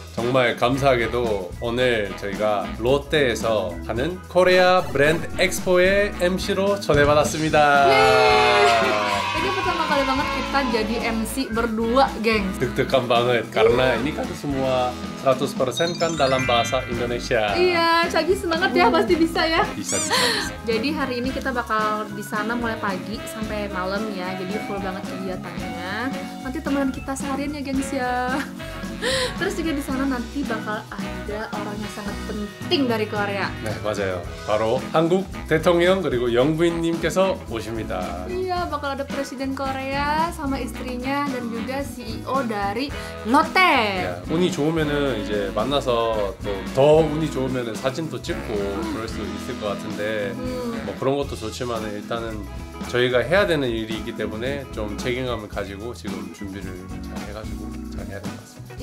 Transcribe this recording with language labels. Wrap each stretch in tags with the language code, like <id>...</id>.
<ko>정말 감사하게도 오늘 저희가 롯데에서 하는 코리아 브랜드 엑스포의 MC로 초대받았습니다. 예. 이게</ko> <id>pertama kali banget kita jadi MC berdua, gengs. 득득한 banget karena ini kan semua 100% kan dalam bahasa Indonesia. Iya, cagi semangat ya, pasti bisa ya. Bisa. Jadi hari ini kita bakal di sana mulai pagi sampai malam ya. Jadi full banget kegiatannya. Nanti teman kita seharian ya, gengs ya. Terus juga di sana nanti bakal ada orang yang sangat penting dari Korea.</id> <ko>Nah, 맞아요. 바로 한국 대통령 그리고 영부인님께서 오십니다.</ko> <id>Iya, bakal ada presiden Korea sama istrinya dan juga CEO dari Lotte. Ya,</id> <ko>운이 좋으면은 이제 만나서 또 더 운이 좋으면은 사진도 찍고 그럴 수 있을 것 같은데 뭐 그런 것도 좋지만 일단은 저희가 해야 되는 일이 있기 때문에 좀 책임감을 가지고 지금 준비를 잘 해가지고 잘 해야 될 것 같습니다.</ko>